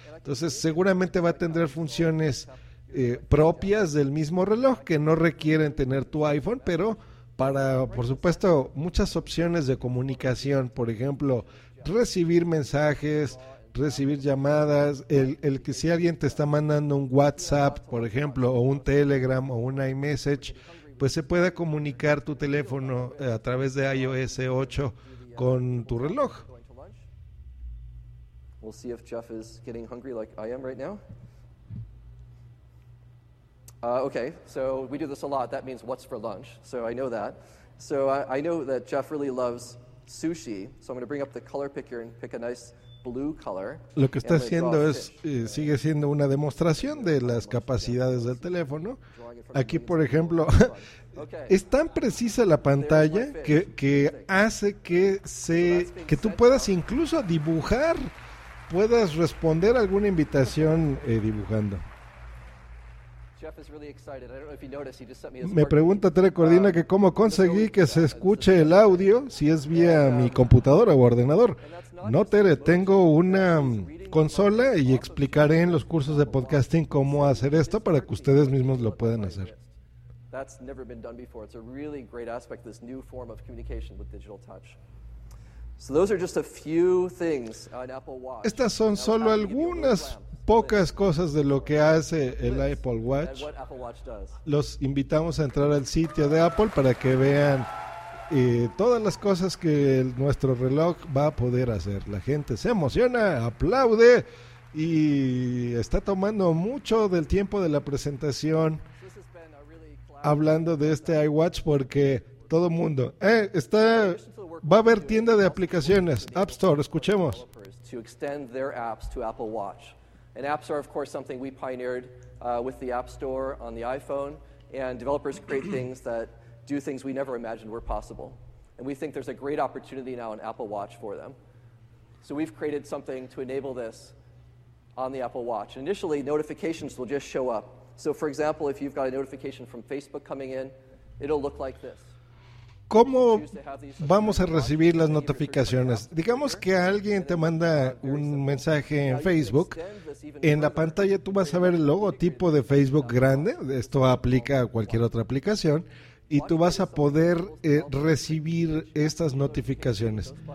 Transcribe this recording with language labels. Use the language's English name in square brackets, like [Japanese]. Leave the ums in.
[Spanish] Entonces, seguramente va a tener funciones eh, propias del mismo reloj que no requieren tener tu iPhone, pero para, por supuesto, muchas opciones de comunicación, por ejemplo, recibir mensajes, recibir llamadas, el, el que si alguien te está mandando un WhatsApp, por ejemplo, o un Telegram o un iMessage, pues se pueda comunicar tu teléfono eh, a través de iOS 8 con tu reloj. [English] We'll see if Jeff is getting hungry like I am right now. Uh, okay, so we do this a lot. That means what's for lunch. So I know that. So I, I know that Jeff really loves sushi. So I'm going to bring up the color picker and pick a nice blue color. [Spanish] Lo que está [English] and we draw [Spanish] haciendo [English] a [Spanish] es, eh, sigue siendo una demostración de las capacidades del teléfono. Aquí, por ejemplo, es tan precisa la pantalla que, que hace que, se, que tú puedas incluso dibujar, puedas responder alguna invitación eh, dibujando. [English] Jeff is really excited. I don't know if you noticed, he just sent me a [Spanish] Me pregunta Tere Cordina que cómo conseguí que se escuche el audio si es vía mi computadora o ordenador. No, Tere, tengo una mm, consola y explicaré en los cursos de podcasting cómo hacer esto para que ustedes mismos lo puedan hacer. [English] That's never been done before. It's a really great aspect, this new form of communication with digital touch. So those are just a few things on Apple Watch. [Spanish] Estas son solo algunas pocas cosas de lo que hace el Apple Watch. [English] What Apple Watch does. [Spanish] Los invitamos a entrar al sitio de Apple para que vean eh, todas las cosas que el- nuestro reloj va a poder hacer. La gente se emociona, aplaude y está tomando mucho del tiempo de la presentación hablando de este iWatch porque todo mundo eh, está va a haber tienda de aplicaciones App Store escuchemos [English] developers to extend their apps to Apple Watch. And apps are, of course, something we pioneered uh, with the App Store on the iPhone, and developers create things that do things we never imagined were possible. And we think there's a great opportunity now in Apple Watch for them. So we've created something to enable this on the Apple Watch. Initially, notifications will just show up. So, for example, if you've got a notification from Facebook coming in, it'll look like this. [Spanish] ¿Cómo vamos a recibir las notificaciones? Digamos que alguien te manda un mensaje en Facebook. En la pantalla tú vas a ver el logotipo de Facebook grande. Esto aplica a cualquier otra aplicación. Y tú vas a poder eh, recibir estas notificaciones.